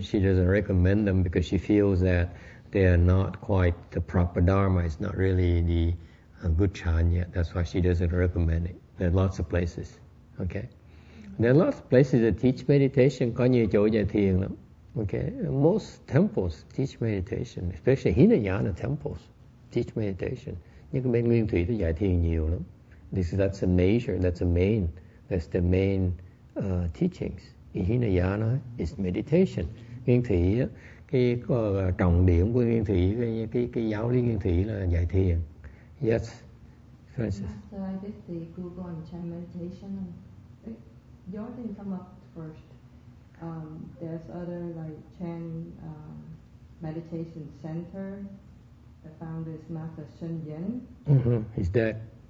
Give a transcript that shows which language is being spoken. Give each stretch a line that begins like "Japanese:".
English: She doesn't recommend them because she feels that they are not quite the proper Dharma. It's not really the good Chan yet. That's why she doesn't recommend it. There are lots of places. Okay, there are lots of places that teach meditation.
Vietnamese: Có nhiều chỗ dạy thiền lắm.
English: Okay, most temples teach meditation, especially Hinayana temples teach meditation.
Vietnamese: Nhưng cái bên Nguyên Thủy thì dạy thiền nhiều lắm.
English: That's the main teachings. Hinayana is meditation.
Vietnamese: Nguyên Thủy, cái trọng điểm của Nguyên Thủy, cái giáo lý Nguyên Thủy là dạy thiền.
English: Yes, Francis. So I did the Google and Chan meditation. Your thing come up first. There's other like Chan meditation center. The founder is Master Shen Yan. Mm-hmm. He's dead.